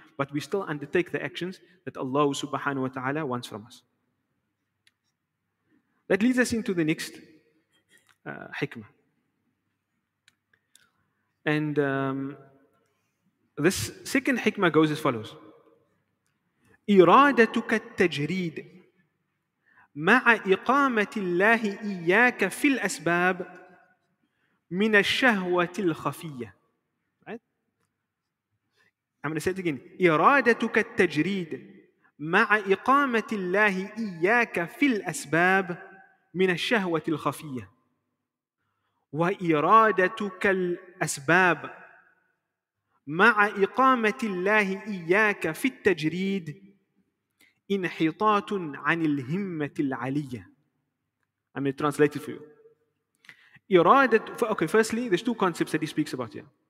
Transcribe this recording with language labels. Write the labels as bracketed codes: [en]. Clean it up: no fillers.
[en] but we still undertake the actions that Allah subhanahu wa ta'ala wants from us. That leads us into the next hikmah. And this second hikmah goes as follows. [ar] إرادتك التجريد مع إقامة الله إياك في الأسباب من الشهوة الخفية. [en] Right? I'm going to say it again. إرادتك التجريد مع إقامة الله إياك في الأسباب من الشهوة الخفية. وإرادتك الأسباب مع إقامة الله إياك في التجريد انحطاط عن الهمة العالية. I'm going to translate it for you. [ar] إرادة. [en] Okay, firstly, there's two concepts that he speaks about here.